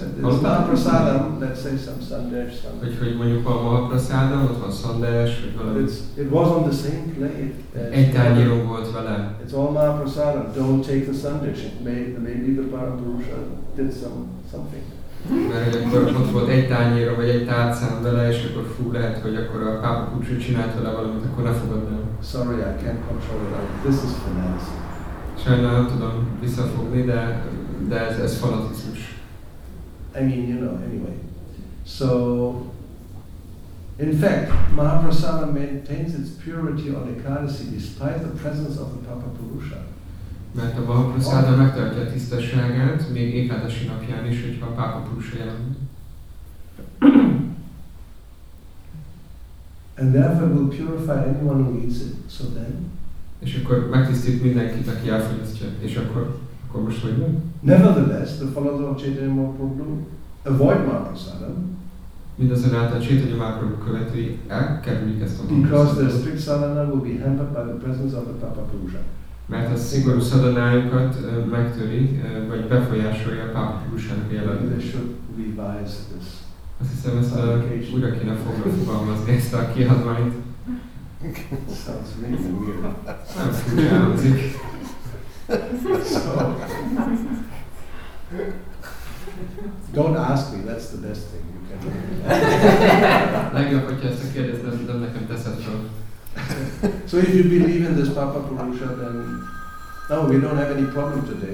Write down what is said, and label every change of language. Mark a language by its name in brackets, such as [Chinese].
[English] And it's Mahaprasadam, let's say some sandesh, something. [Hungarian] Hogy mondjuk a Mahaprasadam, ott van sandesh, vagy valami. [English] It was on the same plate. [Hungarian] Egy tányéron volt vele. [English] It's all Mahaprasadam, don't take the sandesh. Maybe the Parapurusha did something. [Hungarian] Mert akkor ott volt egy tányéra, vagy egy tárcán vele, és akkor fú, lehet, hogy akkor a Parapurusha csinált vele valamit, akkor ne fogadnám. [English] Sorry, I can't control it. This is finance. [Hungarian] Sajnál nem tudom visszafogni, de ez fanatizmus. [English] I mean, you know, anyway. So, in fact, Mahaprasada maintains its purity on Ekadasi despite the presence of the Papa Purusha. [Hungarian] Mert a Mahaprasada megtartja a tisztességet, még Ekadasi napján is, hogy a Papa Purusha jelen. [English] And therefore will purify anyone who eats it. So then? [Hungarian] És akkor megtisztít mindenkit, aki elfogyasztja. És akkor most hogy van? [English] Nevertheless, the followers of Chaitanya Mahaprabhu avoid Mahaprasadam. [Hungarian] Mindazonáltal Chaitanya Mahaprabhu követői elkerülik ezt a Mahaprasadam. [English] Because their strict sadhana will be hampered by the presence of the Papa Purusha. [Hungarian] Mert a szigorú sadhanájukat megtöri, vagy befolyásolja a Papa Purushának jelenlét. [English] They should revise this. [Hungarian] Azt hiszem, ezt újra kéne fogalmazni ezt a kiadványt. [English] Sounds really weird. Sounds really weird. So, don't ask me, that's the best thing you can do. So if you believe in this Papa Purusha, then no, we don't have any problem today.